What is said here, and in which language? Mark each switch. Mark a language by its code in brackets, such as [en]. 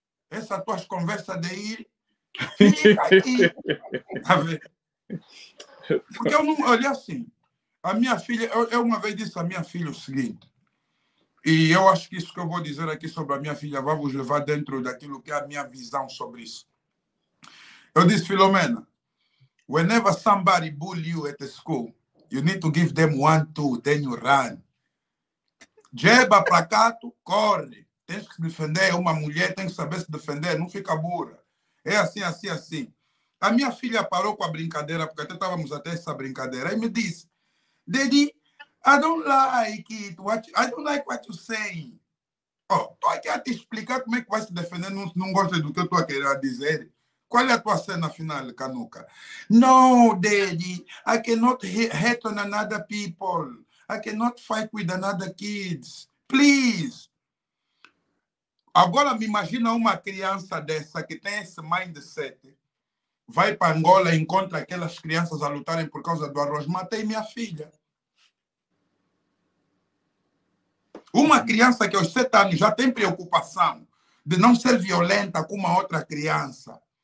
[pt] Essa tua conversa de ir. Fica aqui. Tá vendo? Porque eu não olhei assim. A minha filha, eu uma vez disse à minha filha o seguinte, e eu acho que isso que eu vou dizer aqui sobre a minha filha vai vos levar dentro daquilo que é a minha visão sobre isso. Eu disse, [en] Filomena, whenever somebody bully you at the school, you need to give them one, two, then you run. [pt] Jeba pra cá, tu corre. Tem que se defender, uma mulher tem que saber se defender, não fica burra. É assim, assim, assim. A minha filha parou com a brincadeira, porque até estávamos até essa brincadeira, e me disse, [en] Daddy, I don't like it. I don't like what you're saying. [pt] Ó, estou aqui a te explicar como é que vai se defender, não gosto do que eu estou a querer dizer. Qual é a tua cena final, Canuca? [en] No, Daddy, I cannot hurt on another people. I cannot fight with another kids. Please. [pt] Agora me imagina uma criança dessa que tem esse mindset. Vai para Angola e encontra aquelas crianças a lutarem por causa do arroz. Matei minha filha. Uma criança que aos 7 anos já tem preocupação de não ser violenta com uma outra criança.